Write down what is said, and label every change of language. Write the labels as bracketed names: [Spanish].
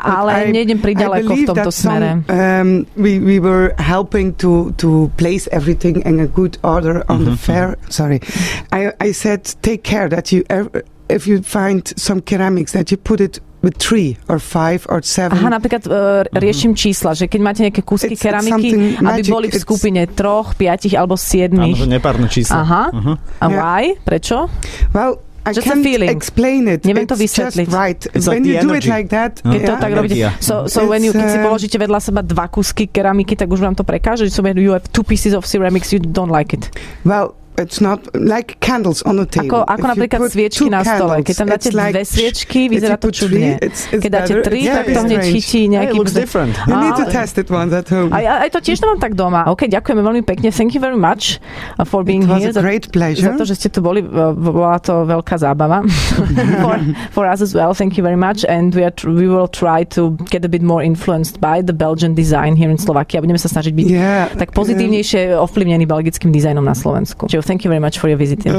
[Slovak] Ale nejdem priďaleko v tomto [English] that some, [Slovak] smere. [English] We were helping to place everything in a good order on the fair. Sorry. I said take care that you if you find some ceramics that you put it with 3 or 5 or 7. [Slovak] Aha, napríklad riešim čísla, že keď máte nejaké kúsky [English] it's [Slovak] keramiky, aby boli v skupine 3, 5 alebo 7. Áno, že nepárne čísla. Aha. A why? Prečo? [English] Well, just I can't a feeling. Explain it. [Slovak] Neviem [English] it's [Slovak] to vysvetliť. [English] Just right. It's when like you energy. Do it like that, [Slovak] keď to tak robíte. [English] So when you [Slovak] keď si položíte vedľa seba dva kúsky keramiky, tak už vám to prekáže, že [English] so when you have 2 pieces of ceramics, you don't like it. Well, it's not like candles on the table. [Slovak] Ako napríklad sviečky na stole. keď tam dáte [English] like, [Slovak] dve sviečky, vyzerá to čudne. Keď dáte tri, tak to hneď chytí nejaký... [English] Hey, different. You need to test it once at home. [Slovak] Aj to tiež nemám tak doma. Ok, ďakujeme veľmi pekne. [English] Thank you very much for being here. It was a great pleasure. [Slovak] Za to, že ste tu boli, bola to veľká zábava. [English] for us as well, thank you very much. And we will try to get a bit more influenced by the Belgian design here in Slovakia. [Slovak] Budeme sa snažiť byť tak pozitívnejšie ovplyvnení belgickým dizajnom na Slovensku. [English] Thank you very much for your visit in